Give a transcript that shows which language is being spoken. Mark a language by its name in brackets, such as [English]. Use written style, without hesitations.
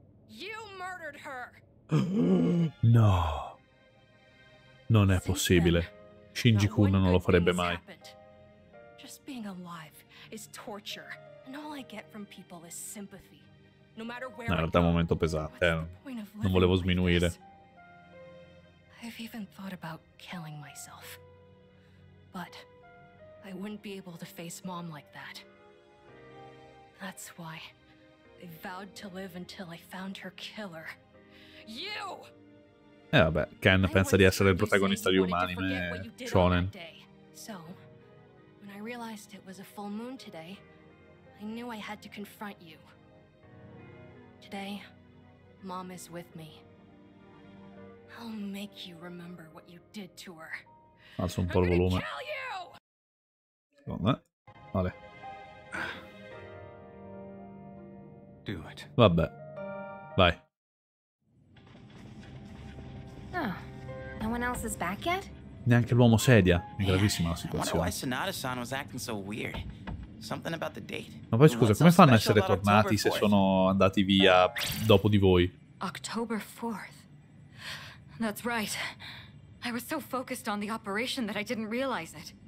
[English] You murdered her. [Italian] No, non è possibile. Shinji-kun non lo farebbe mai. [English] Just being alive is torture, and all I get from people is sympathy. [Italian] No, in realtà è un momento pesante, non volevo sminuire. [English] I've even thought about killing myself, but I wouldn't be able to face mom like that. That's why I vowed to live until I found her killer. You! [Italian] Eh vabbè, Ken pensa di essere il protagonista di un anime shonen. [English] So, when I realized it was a full moon today, I knew I had to confront you. Today, mom is with me. I'll make you remember what you did to her. [Italian] Alzo un po' il volume. Secondo me. Vale. [English] Do it. [Italian] Vabbè. Vai. [English] Oh, no one else is back yet? [Italian] Neanche l'uomo sedia. È gravissima la situazione. [English] Why Sonata-san was acting so weird. Something about the date. [Italian] Ma poi scusa, come fanno a essere tornati se sono andati via dopo di voi? [English] October 4th. That's right. I was so focused on the operation that I didn't realize it.